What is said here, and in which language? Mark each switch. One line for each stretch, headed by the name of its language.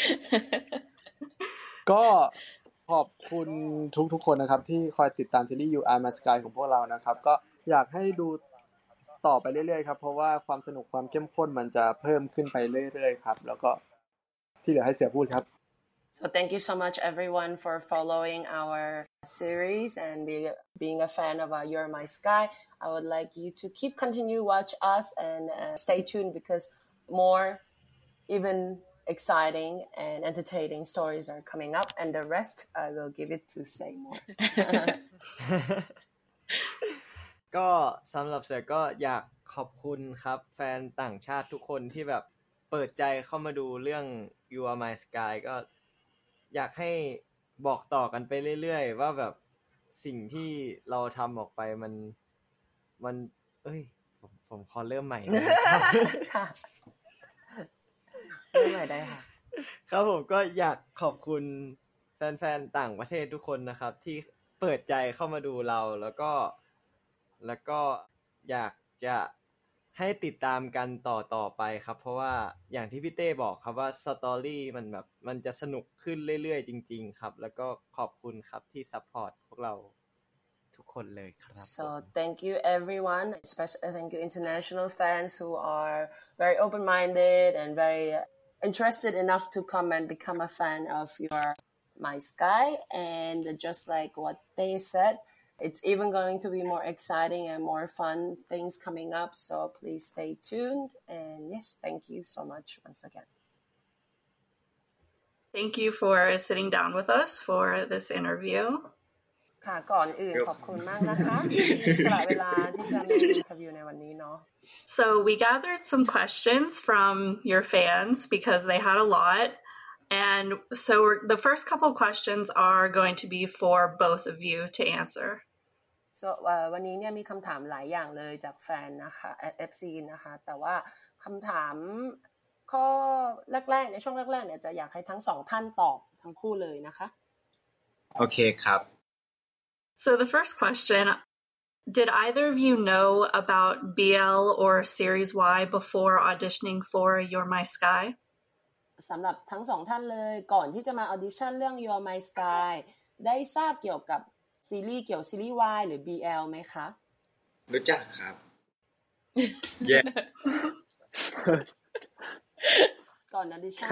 Thai: ก็ขอบคุณทุกๆคนนะครับที่คอยติดตามซีรีส์ You Are My Sky ของพวกเรานะครับก็อยากให้ดูต่อไปเรื่อยๆครับเพราะว่าความสนุกความเข้มข้นมันจะเพิ่มขึ้นไปเรื่อยๆครับแล้วก็ที่เหลือให้เสือพูดครับ
English: So thank you so much everyone for following ourseries and being a fan of You're My Sky I would like you to keep continue watch us and stay tuned because more even exciting and entertaining stories are coming up and the rest I will give it to say more
Thai: ก็สำหรับเสือก็อยากขอบคุณครับแฟนต่างชาติทุกคนที่แบบเปิดใจเข้ามาดูเรื่อง You Are My Sky ก็อยากให้บอกต่อกันไปเรื่อยๆว่าแบบสิ่งที่เราทำออกไปมันเอ้ยผมขอเริ่มใหม่ค่ะเริ่มใหม่ได้ค่ะ ครับผมก็อยากขอบคุณ แฟนๆต่างประเทศทุกคนนะครับที่เปิดใจเข้ามาดูเราแล้วก็อยากจะให้ติดตามกันต่อๆไปครับเพราะว่าอย่างที่พี่เต้บอกครับว่าสตอรี่มันแบบมันจะสนุกขึ้นเรื่อยๆจริงๆครับแล้วก็ขอบคุณครับที่ซัพพอร์ตพวกเราทุกคนเลยครับ
English: So thank you everyone, especially thank you international fans who are very open-minded and very interested enough to come and become a fan of your My Sky. And just like what they said,It's even going to be more exciting and more fun things coming up. So please stay tuned. And yes, thank you so much once again. Thank you for sitting down with us for this interview.
Thai: ค่ะก่อนอื่นขอบคุณมากนะคะที่สละเวลาที่จะมาอินเทอร์วิวในวันนี้เนาะ
English: So we gathered some questions from your fans because they had a lot. And so the first couple of questions are going to be for both of you to answer.
Thai: So วันนี้เนี่ยมีคำถามหลายอย่างเลยจากแฟนนะคะ FC นะคะแต่ว่าคำถามข้อแรกๆในช่วงแรกๆเนี่ยจะอยากให้ทั้งสองท่านตอบทั้งคู่เลยนะคะ โอเคครับ
English: So the first question, did either of you know about BL or Series Y before auditioning for You're My Sky?
Thai: สำหรับทั้งสองท่านเลยก่อนที่จะมาออดิชั่นเรื่อง Your My Sky ได้ทราบเกี่ยวกับซีรีส์เกี่ยวซีรีส์ Y หรือ BL ไหมคะ รู้จักครับ เย้ ก่อนออดิชั่น